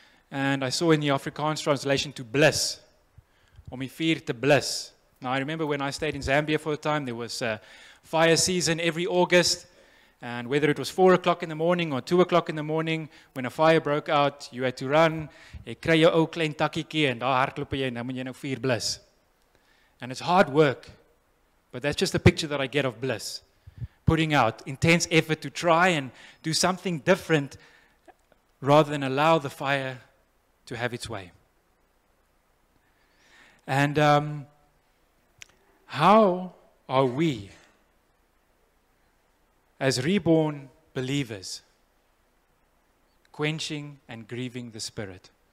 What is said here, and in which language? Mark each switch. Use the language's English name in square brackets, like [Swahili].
[English] And I saw in the Afrikaans translation to bliss, om vuur te bliss. Now I remember when I stayed in Zambia for a time, there was fire season every August. And whether it was 4 o'clock in the morning or 2 o'clock in the morning, when a fire broke out, you had to run. [Afrikaans] Ek kry jou ou klein takkiekie en daar hardloop jy en dan moet jy nou vuur blus. [English] And it's hard work, but that's just a picture that I get of bliss. Putting out intense effort to try and do something different rather than allow the fire to have its way. And how are we, as reborn believers, quenching and grieving the Spirit?